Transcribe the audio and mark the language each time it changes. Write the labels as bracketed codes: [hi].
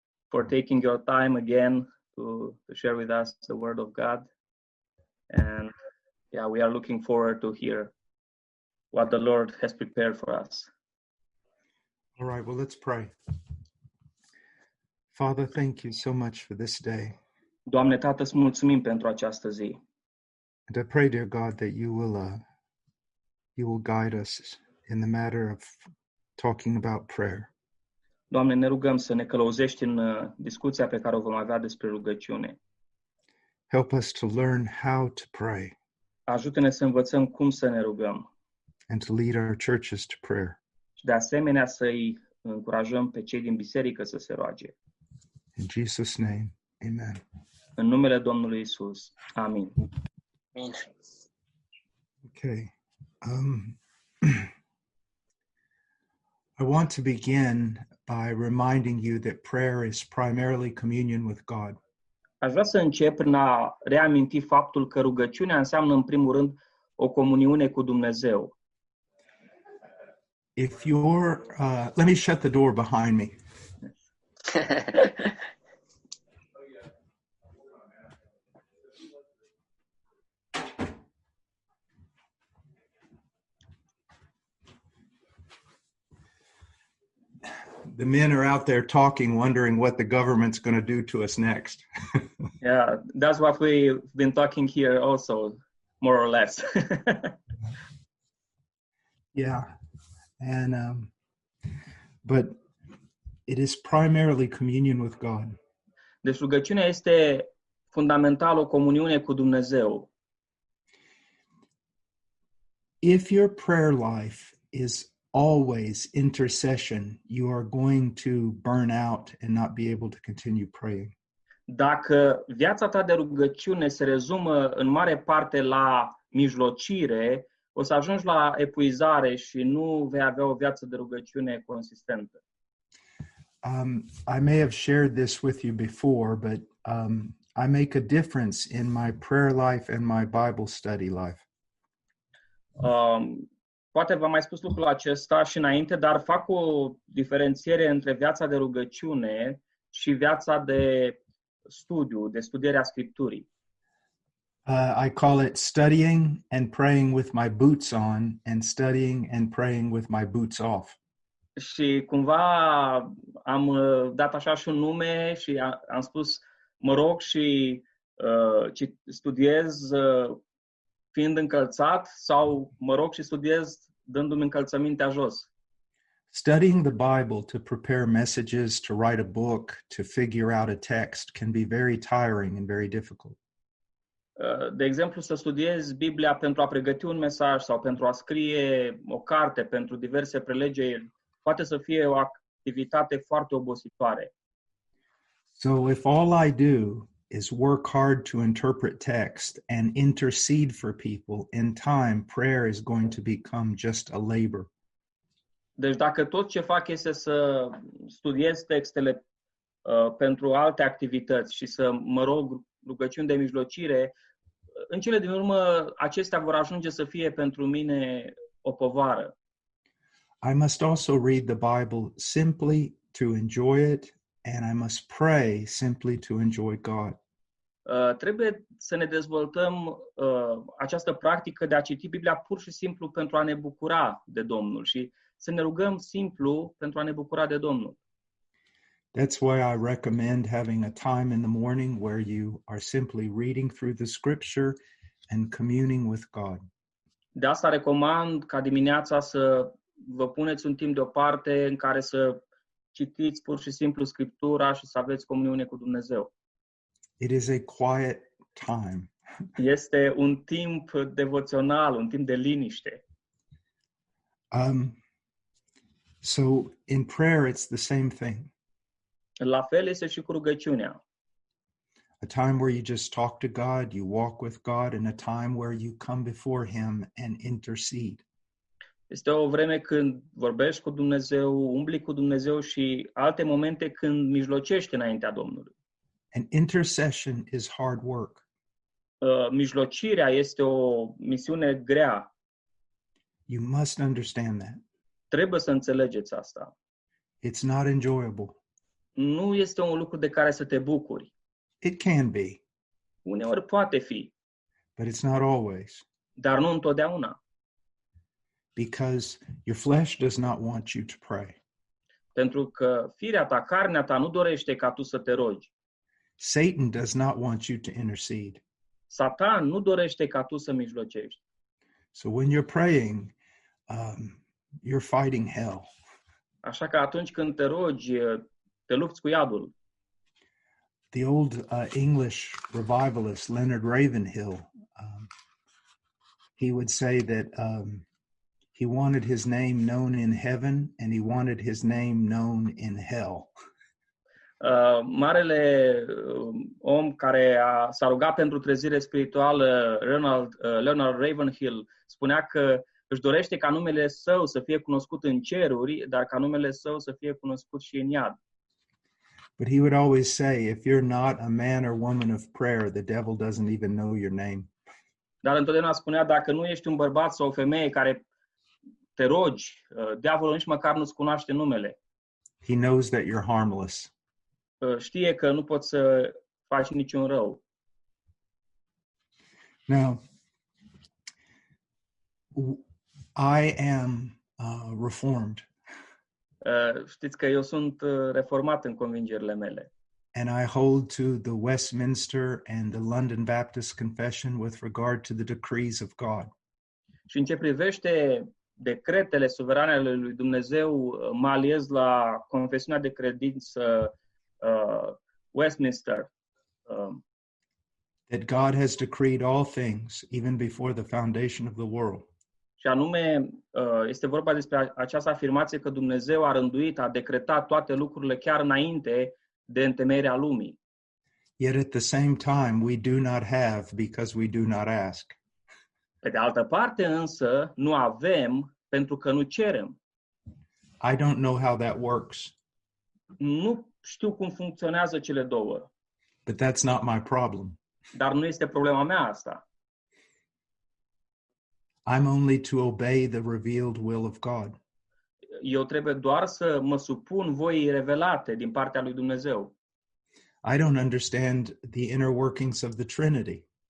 [en] for taking your time again to share with us the word of God. And yeah, we are looking forward to hear what the Lord has prepared for us. All right, well, let's pray. Father, thank you so much for this day. [ro] Doamne Tată, îți mulțumim pentru această zi. [en] And I pray, dear God, that you will guide us in the matter of talking about prayer. [ro] Doamne, ne rugăm să ne călăuzești în discuția pe care o vom avea despre rugăciune. [en] Help us to learn how to pray. [ro] Ajută-ne să învățăm cum să ne rugăm. [en] And to lead our churches to prayer. [ro] Și de asemenea să îi încurajăm pe cei din biserică să se roage. [en] In Jesus' name, amen. [ro] În numele Domnului Isus. Amin. [en] Okay. I want to begin by reminding you that prayer is primarily communion with God. [ro] Aș vrea să încep prin a reaminti faptul că rugăciunea înseamnă în primul rând o comuniune cu Dumnezeu. [en] If you're let me shut the door behind me. The men are out there talking, wondering what the government's going to do to us next. Yeah, that's what we've been talking here also, more or less. Yeah, and but it is primarily communion with God. [ro] Deci rugăciunea este fundamental, o comuniune cu Dumnezeu. [en] If your prayer life is always intercession, you are going to burn out and not be able to continue praying. [ro] Dacă viața ta de rugăciune se rezumă în mare parte la mijlocire, o să ajungi la epuizare și nu vei avea o viață de rugăciune consistentă. [en] I may have shared this with you before, but I make a difference in my prayer life and my Bible study life. [ro] Poate v-am mai spus lucrul acesta și înainte, dar fac o diferențiere între viața de rugăciune și viața de studiu, de studierea Scripturii. [en] I call it studying and praying with my boots on and studying and praying with my boots off. [ro] Și cumva am dat așa și un nume și am spus, mă rog și studiez fiind încălțat sau mă rog și studiez dându-mi încălțămintea jos. [en] Studying the Bible to prepare messages, to write a book, to figure out a text can be very tiring and very difficult. [ro] De exemplu, să studiezi Biblia pentru a pregăti un mesaj sau pentru a scrie o carte pentru diverse prelegeri poate să fie o activitate foarte obositoare. [en] So if all I do is work hard to interpret text and intercede for people, in time, prayer is going to become just a labor. [ro] Deci dacă tot ce fac este să studiez textele pentru alte activități și să mă rog rugăciuni de mijlocire, în cele din urmă, acestea vor ajunge să fie pentru mine o povară. [en] I must also read the Bible simply to enjoy it, and I must pray simply to enjoy God. [ro] Trebuie să ne dezvoltăm această practică de a citi Biblia pur și simplu pentru a ne bucura de Domnul și să ne rugăm simplu pentru a ne bucura de Domnul. [en] That's why I recommend having a time in the morning where you are simply reading through the scripture and communing with God. [ro] De asta recomand ca dimineața să vă puneți un timp deoparte în care să citiți pur și simplu Scriptura și să aveți comuniune cu Dumnezeu. [en] It is a quiet time. [ro] Este un timp devoțional, un timp de liniște. [en] So in prayer it's the same thing. [ro] La fel este și cu rugăciunea. [en] A time where you just talk to God, you walk with God, and a time where you come before Him and intercede. [ro] Este o vreme când vorbești cu Dumnezeu, umbli cu Dumnezeu și alte momente când mijlocești înaintea Domnului. [en] And intercession is hard work. [ro] Mijlocirea este o misiune grea. [en] You must understand that. [ro] Trebuie să înțelegeți asta. [en] It's not enjoyable. [ro] nu este un lucru de care să te bucuri. [en] It can be. [ro] Uneori poate fi. [en] But it's not always. [ro] Dar nu întotdeauna. [en] Because your flesh does not want you to pray. [ro] Pentru că firea ta, carnea ta nu dorește ca tu să te rogi. [en] Satan does not want you to intercede. [ro] Satan nu dorește ca tu să mijlocești. [en] So when you're praying, you're fighting hell. [ro] Așa că atunci când te rogi, te lupți cu iadul. [en] The old English revivalist Leonard Ravenhill, he would say that he wanted his name known in heaven and he wanted his name known in hell. [ro] Marele om care s-a rugat pentru trezire spirituală, Leonard Ravenhill, spunea că își dorește ca numele său să fie cunoscut în ceruri, dar ca numele său să fie cunoscut și în iad. [en] But he would always say, if you're not a man or woman of prayer, the devil doesn't even know your name. [ro] Dar întotdeauna spunea, dacă nu ești un bărbat sau o femeie care te rogi, diavolul nici măcar nu-ți cunoaște numele. [en] He knows that you're harmless. [ro] Știe că nu poți să faci niciun rău. [en] Now, I am reformed. [ro] Știți că eu sunt reformat în convingerile mele. [en] And I hold to the Westminster and the London Baptist Confession with regard to the decrees of God. [ro] Și în ce privește decretele suverane ale lui Dumnezeu, mă aliez la confesiunea de credință Westminster. [en] That God has decreed all things even before the foundation of the world. [ro] Și anume, este vorba despre această afirmație că Dumnezeu a rânduit, a decretat toate lucrurile chiar înainte de întemeierea lumii. [en] Yet at the same time, we do not have because we do not ask. [ro] Pe de altă parte însă, nu avem pentru că nu cerem. [en] I don't know how that works. [ro] Nu știu cum funcționează cele două. [en] But that's not my problem. [ro] Dar nu este problema mea asta. [en] I'm only to obey the revealed will of God. [ro] Eu trebuie doar să mă supun voii revelate din partea lui Dumnezeu. [en] I don't understand the inner workings of the Trinity.